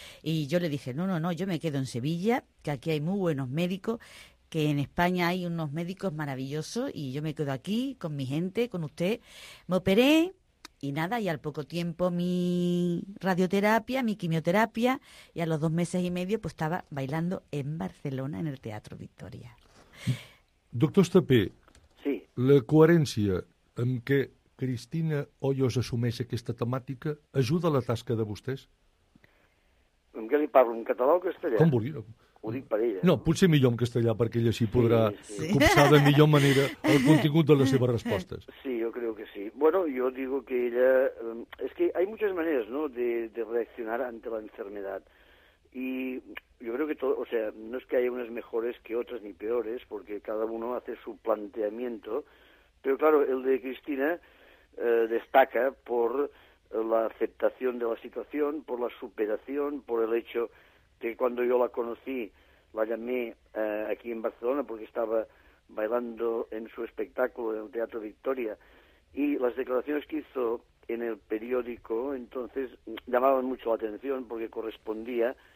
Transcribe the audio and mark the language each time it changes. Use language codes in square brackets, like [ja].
[es] Y yo le dije, no, no, no, yo me quedo en Sevilla, que aquí hay muy buenos médicos, que en España hay unos médicos maravillosos y yo me quedo aquí con mi gente, con usted. Me operé y nada, y al poco tiempo mi radioterapia, mi quimioterapia, y a los 2 meses y medio pues estaba bailando en Barcelona en el Teatro Victoria. Doctor Estapé, sí. [ca] La coherència amb què Cristina Hoyos assumeix aquesta temàtica ajuda a la tasca de vostès? Amb què li parlo, en català o castellà? Com vulgui. Ho dic per ella. No, potser millor en castellà, perquè ella així podrà sí. copsar de millor manera el contingut de les seves respostes. Sí, jo crec que sí. Bueno, jo digo que ella... És que [es] hay muchas maneras, ¿no?, de reaccionar ante la enfermedad. Y yo creo que todo, o sea, no es que haya unas mejores que otras ni peores, porque cada uno hace su planteamiento, pero claro, el de Cristina destaca por la aceptación de la situación, por la superación, por el hecho de que cuando yo la conocí, la llamé aquí en Barcelona porque estaba bailando en su espectáculo en el Teatro Victoria, y las declaraciones que hizo en el periódico entonces llamaban mucho la atención porque correspondía...